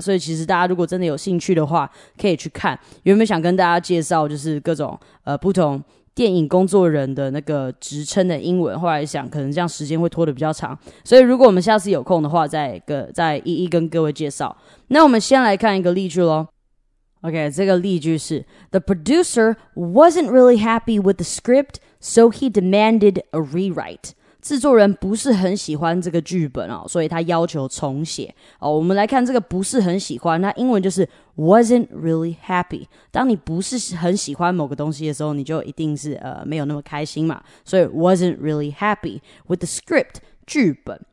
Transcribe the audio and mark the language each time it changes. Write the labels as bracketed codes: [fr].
[zh] 所以其实大家如果真的有兴趣的话，可以去看。原本想跟大家介绍就是各种不同电影工作人的那个职称的英文，后来想可能这样时间会拖得比较长，所以如果我们下次有空的话，再一一跟各位介绍。那我们先来看一个例句咯。 [en] Okay, [zh] 这个例句是 [en] The producer wasn't really happy with the script, so he demanded a rewrite. [zh] 制作人不是很喜欢这个剧本哦，所以他要求重写。哦，我们来看这个不是很喜欢，那英文就是 wasn't really happy. 当你不是很喜欢某个东西的时候，你就一定是没有那么开心嘛。所以 [en] wasn't really happy with the script, [zh] 剧本。